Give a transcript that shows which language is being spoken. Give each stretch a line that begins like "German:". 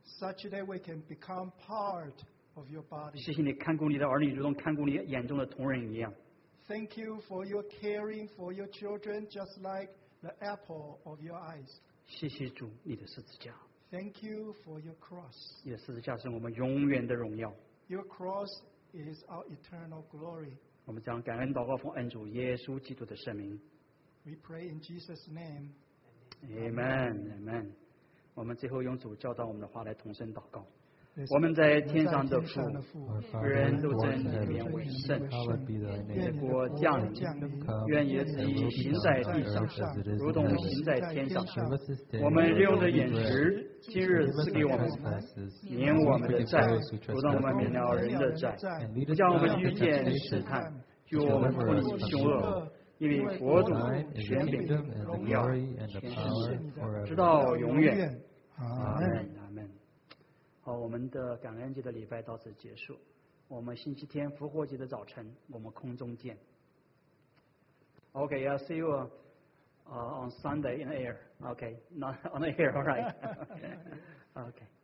English: Such that we can become part of your body.
Chinese: 谢谢你看顾你的儿女，如同看顾你眼中的瞳仁一样。
English: Thank you for your caring for your children, just like the apple of your eyes.
Chinese: 谢谢主，你的十字架。
English: Thank you for your cross.
Chinese: 你的十字架是我们永远的荣耀。
English: Your cross is our eternal glory.
Chinese: 我们将感恩祷告奉恩主耶稣基督的圣名。
English: We pray in Jesus' name. Amen. Amen.
Chinese: 我们最后用主教导我们的话来同声祷告。我们在天上的父，愿主尊你的名为圣，愿你的国降临，愿你的旨意行在地上，如同行在天上。我们日用的饮食，今日赐给我们，免我们的债，如同我们免了人的债，不叫我们遇见试探，救我们脱离凶恶。因为国度、权柄、荣耀，全是你的，直到永远。阿门，阿门。我们的感恩节的礼拜到此结束，我们星期天复活节的早晨我们空中见。
English: OK, I'll see you on Sunday in the air. OK, not on the air, alright. OK, okay.